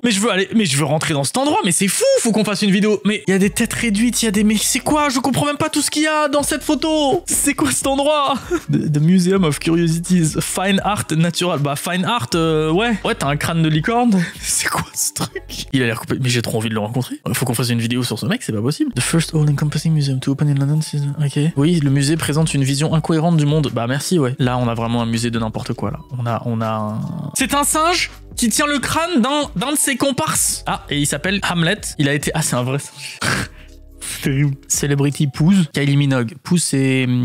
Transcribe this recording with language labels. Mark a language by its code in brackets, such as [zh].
[fr] Mais je veux rentrer dans cet endroit, mais c'est fou, faut qu'on fasse une vidéo. Mais il y a des têtes réduites, mais c'est quoi? Je comprends même pas tout ce qu'il y a dans cette photo. C'est quoi cet endroit? The Museum of Curiosities, Fine Art Natural. Bah Fine Art, ouais. Ouais, t'as un crâne de licorne. C'est quoi ce truc? Il a l'air coupé, mais j'ai trop envie de le rencontrer. Faut qu'on fasse une vidéo sur ce mec, c'est pas possible. [en] The first all-encompassing museum to open in London. [fr] Ok. Oui, le musée présente une vision incohérente du monde. Bah merci, ouais. Là, on a vraiment un musée de n'importe quoi, là. C'est un singe qui tient le crâne d'un de ses comparses. Ah, et il s'appelle Hamlet. Il a été... Ah, c'est un vrai singe. Celebrity Pouze, Kylie Minogue. Pouze, c'est...